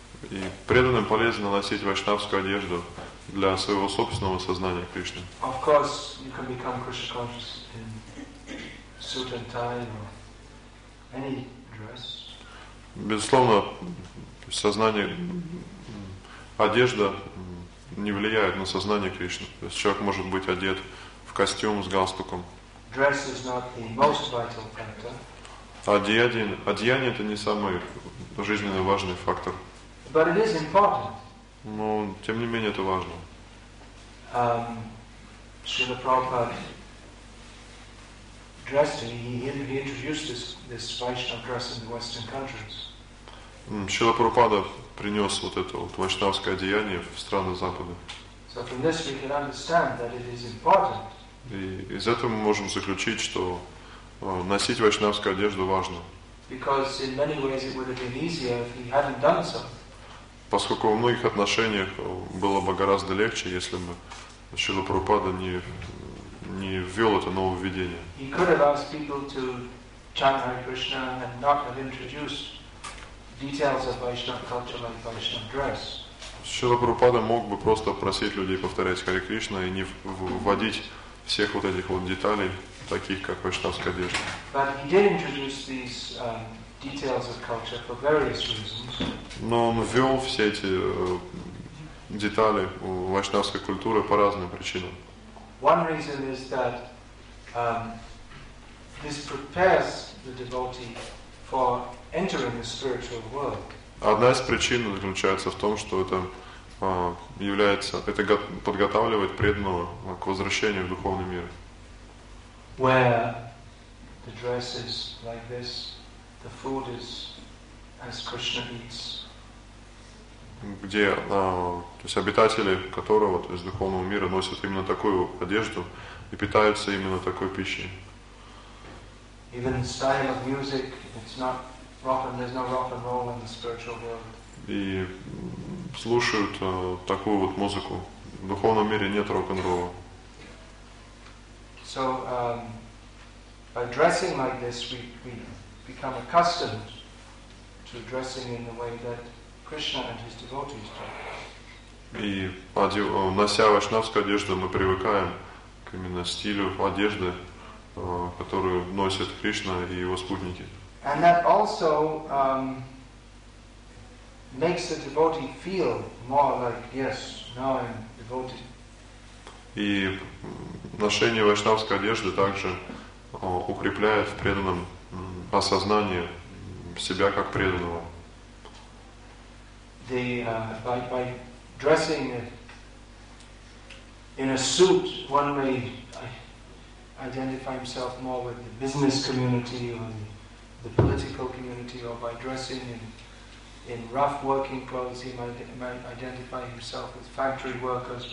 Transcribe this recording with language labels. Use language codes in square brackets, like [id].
[ru] И преданным полезно носить вайшнавскую одежду для своего собственного сознания Кришны. [en] Of course, you can become Krishna conscious in suit and tie or any dress. [ru] Безусловно, сознание, одежда не влияет на сознание Кришны. То есть человек может быть одет в костюм с галстуком. [en] Dress is not the most vital factor. [ru] Одеяние — это не самый жизненно важный фактор. [en] But it is important. [ru] Но тем не менее это важно. [en] Srila Prabhupada dressed, he introduced this Vaishnava dress in the Western countries. [ru] Шрила Прабхупада принес вот это вот вайшнавское одеяние в страны Запада. [en] So from this we can understand that it is important. [ru] И из этого мы можем заключить, что носить вайшнавскую одежду важно. [en] Because in many ways it would have been easier if he hadn't done so. [ru] Поскольку во многих отношениях было бы гораздо легче, если бы Шрила Прабхупада не ввел это нововведение. [en] He could have asked people to chant Hare Krishna and not have introduced details of Vaishnava culture, like Vaishnava dress. [ru] Шрила Прабхупада мог бы просто просить людей повторять Харе Кришна и не вводить всех вот этих вот деталей, таких как вайшнавская одежда. [en] But he did introduce these details of culture for various reasons. [ru] Но он ввел все эти детали вайшнавской культуры по разным причинам. [en] One reason is that this prepares the devotee for entering the spiritual world. [ru] Одна из причин заключается в том, что это является, это подготавливает преданного к возвращению в духовный мир. [en] Where the dress is like this, the food is as Krishna eats. [ru] Где, то есть обитатели которого, то есть духовного мира, носят именно такую одежду и питаются именно такой пищей. [en] Even the style of music, it's not rock and there's no rock and roll in the spiritual world. [ru] И слушают такую вот музыку. В духовном мире нет рок-н-ролла. [en] So by dressing like this, we become accustomed to dressing in the way that Krishna and his devotees do. [ru] И нося вайшнавскую одежду, мы привыкаем к именно стилю одежды, которую носят Кришна и его спутники. [en] And that also makes the devotee feel more like, yes, now I'm devoted. [ru] И ношение вайшнавской одежды также укрепляет в преданном осознание себя как преданного. [en] By dressing in a suit, one may identify himself more with the business community or the political community, or by dressing in rough working clothes, he might identify himself with factory workers.